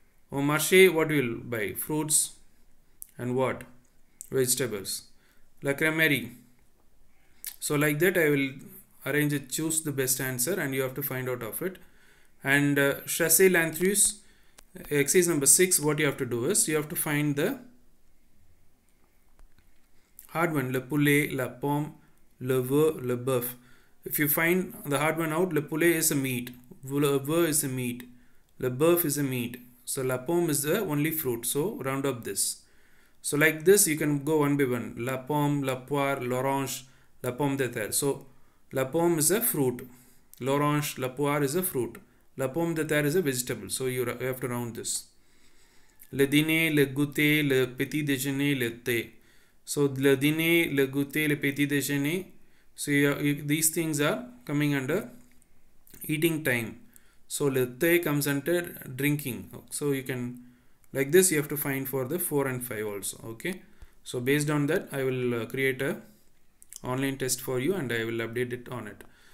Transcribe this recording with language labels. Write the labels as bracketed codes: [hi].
[fr] Au marché, [en] what we will buy? Fruits and what? Vegetables. La crèmerie. So, like that, I will arrange it. Choose the best answer and you have to find out of it. And [fr] chasser l'intrus. [en] Exercise number 6, what you have to do is, you have to find the hard one. [fr] Le poulet, la pomme, le veau, le bœuf. [en] If you find the hard one out, le poulet is a meat. Le veau is a meat. Le bœuf is a meat. So, la pomme is the only fruit. So, round up this. So, like this, you can go one by one. [fr] La pomme, la poire, l'orange, la pomme de terre. [en] So, la pomme is a fruit. L'orange, la poire is a fruit. La pomme de terre is a vegetable. So, you have to round this. [fr] Le dîner, le goûter, le petit déjeuner, le thé. So, le dîner, le goûter, le petit déjeuner. [en] So, these things are coming under eating time. So, le thé comes under drinking. So, you can, like this, you have to find for the 4 and 5 also. Okay. So, based on that, I will create a online test for you and I will update it on it.